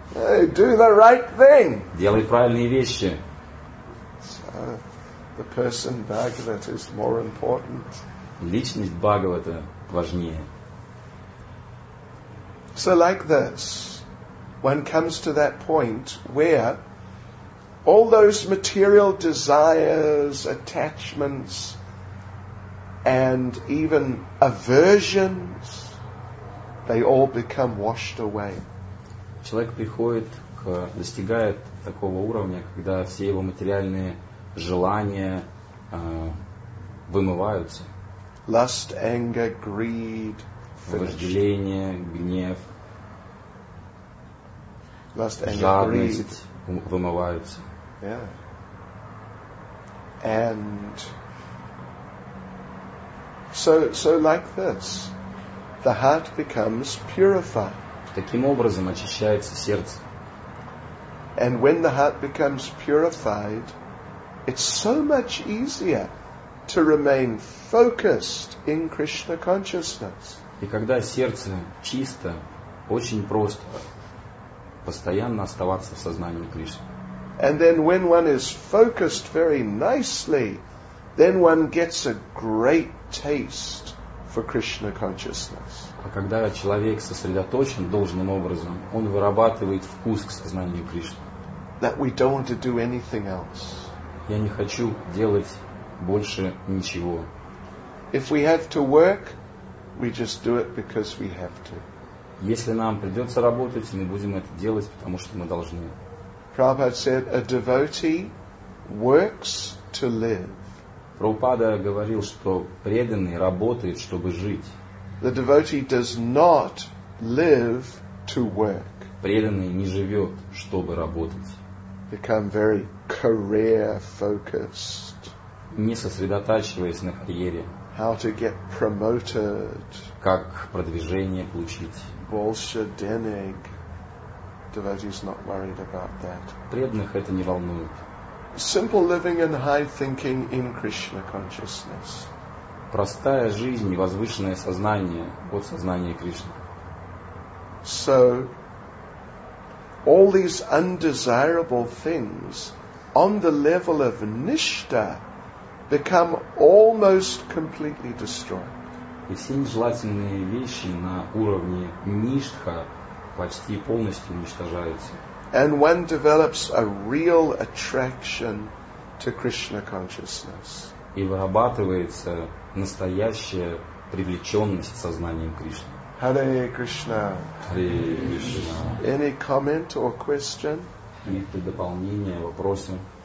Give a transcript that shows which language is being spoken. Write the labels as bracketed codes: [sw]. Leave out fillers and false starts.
[en] Do the right thing! [ru] Делай правильные вещи. [en] So, the person Bhagavat is more important. [ru] Личность Бхагавата важнее. [en] So like this, one comes to that point where all those material desires, attachments, and even aversions, they all become washed away. [ru] Человек приходит, достигает такого уровня, когда все его материальные желания вымываются. [en] Lust, anger, greed. [ru] Вожделение, гнев. [en] Lust, anger, greed. [ru] Жадность вымываются. [en] Yeah. And So like this, the heart becomes purified. [ru] Таким образом очищается сердце. [en] And when the heart becomes purified, it's so much easier to remain focused in Krishna consciousness. [ru] И когда сердце чисто, очень просто постоянно оставаться в сознании Кришны. [en] And then when one is focused very nicely, then one gets a great taste for Krishna consciousness. [ru] А когда человек сосредоточен должным образом, он вырабатывает вкус к сознанию Кришны. [en] That we don't want to do anything else. [ru] Я не хочу делать больше ничего. [en] If we have to work, we just do it because we have to. [ru] Если нам придется работать, мы будем это делать, потому что мы должны. [en] Prabhupada said, a devotee works to live. [ru] Прабхупада говорил, что преданный работает, чтобы жить. [en] The devotee does not live to work. [ru] Преданный не живет, чтобы работать. [en] Become very career focused. [ru] Не сосредотачиваясь на карьере. [en] How to get promoted. [ru] Как продвижение получить. Больше денег. [en] Devotee's not worried about that. [ru] Преданных это не волнует. [en] Simple living and high thinking in Krishna consciousness. [ru] простая жизнь и возвышенное сознание от сознания Кришны. [en] So, all these undesirable things on the level of nishta become almost completely destroyed. [ru] И все нежелательные вещи на уровне ништха почти полностью уничтожаются. [en] And one develops a real attraction to Krishna consciousness. [ru] И вырабатывается настоящая привлеченность сознанием Кришны. [en] Hare Krishna. Hare Krishna. Any comment or question? [ru] Какие-то дополнения, вопросы?